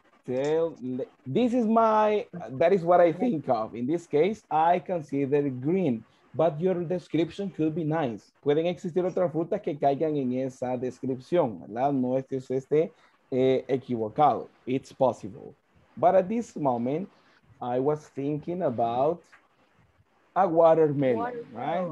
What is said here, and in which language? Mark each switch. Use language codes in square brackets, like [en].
[en] This is that is what I think of. In this case, I consider green, but your description could be nice. [es] Pueden existir otras frutas que caigan en esa descripción, ¿verdad? No es que se esté equivocado. [en] It's possible. But at this moment, I was thinking about a watermelon, right?